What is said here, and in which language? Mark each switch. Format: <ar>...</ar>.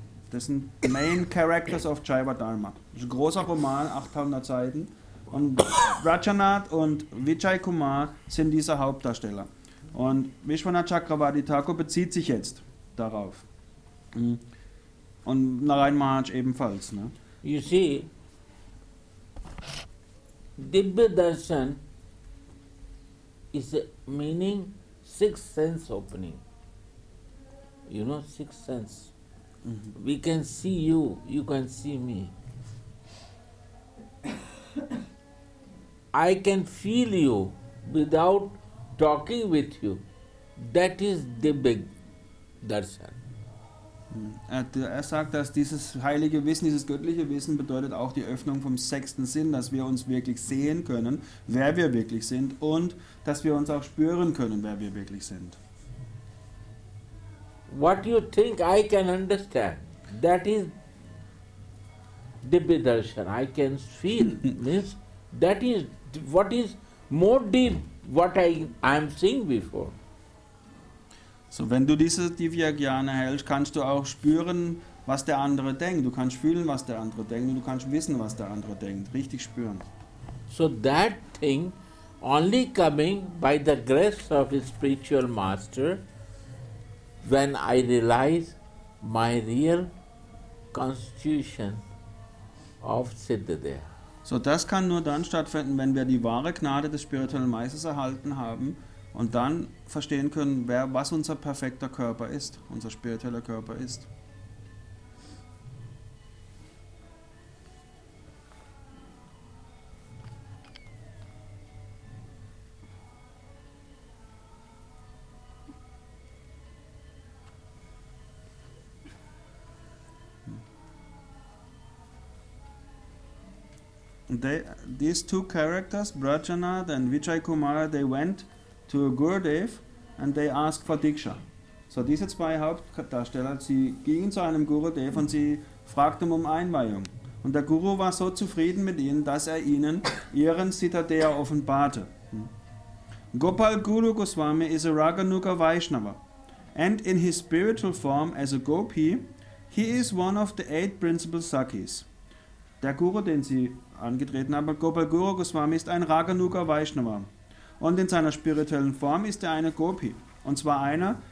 <de>Das sind</de> <en>Main Characters</en> <de>of Jaiva Dharma. Das ist ein großer Roman, 800 Seiten. Und Vrajanath und Vijay Kumar sind diese Hauptdarsteller. Und Vishwanath Chakravarti Thakur bezieht sich jetzt darauf. Und Narayan Maharaj ebenfalls. Ne?</de> <en>You see, Dibya Darshan is meaning sixth sense opening. You know, sixth sense. Mm-hmm. We can see you, you can see me. I can feel you without talking with you. That is Dibya Darshan.</en> <de>Er sagt, dass dieses heilige Wissen, dieses göttliche Wissen bedeutet auch die Öffnung vom sechsten Sinn, dass wir uns wirklich sehen können, wer wir wirklich sind, und dass wir uns auch spüren können, wer wir wirklich sind.</de> <en>What you think I can understand, that is Dibya Darshan. I can feel, means that is what is more deep what I am seeing before.</en> <de>So, wenn du diese Divya Jnana hältst, kannst du auch spüren, was der andere denkt. Du kannst fühlen, was der andere denkt, und du kannst wissen, was der andere denkt. Richtig spüren.</de> <en>So that thing only coming by the grace of a spiritual master. When I realize my real constitution of Siddhadeya.</en> <de>So das kann nur dann stattfinden, wenn wir die wahre Gnade des spirituellen Meisters erhalten haben und dann verstehen können, was unser perfekter Körper ist, unser spiritueller Körper ist.</de> <en>These two characters, Vrajanath and Vijay Kumar, they went to Gurudev and they asked for Diksha.</en> <de>So diese zwei Hauptdarsteller, sie gingen zu einem Gurudev und sie fragten um Einweihung. Und der Guru war so zufrieden mit ihnen, dass er ihnen ihren Siddhadeya offenbarte.</de> <en>Gopal Guru Goswami is a Raganuga Vaishnava. And in his spiritual form as a gopi, he is one of the eight principal sakis.</en> <de>Der Guru, den sie angetreten haben, Gopal Guru Goswami, ist ein Raganuga Vaishnava. Und in seiner spirituellen Form ist er eine Gopi. Und zwar einer</de>